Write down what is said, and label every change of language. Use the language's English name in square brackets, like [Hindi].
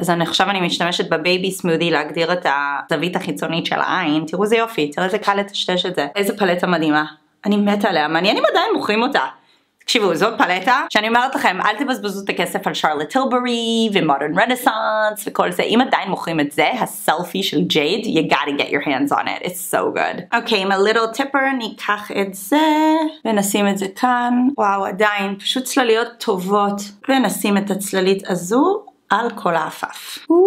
[Hebrew] אז אני עכשיו אני משתמשת בבייבי סמודי להגדיר את הזווית החיצונית של העין, תראו זה יופי, תראו איזה קל לטשטש את זה, איזה פלטה מדהימה, אני מתה עליה, מעניין אם עדיין מוכרים אותה. תקשיבו, זאת פלטה שאני אומרת לכם, אל תבזבזו את הכסף על שרלוט טילברי ומודרן רנסאנס וכל זה. אם עדיין מוכרים את זה, הסלפי של ג'ייד, [English] you gotta get your hands on it. It's so good. [Hebrew] אוקיי, עם הליטל טיפר, ניקח את זה ונשים את זה כאן. וואו, עדיין, פשוט צלליות טובות. ונשים את הצללית הזו על כל האפף.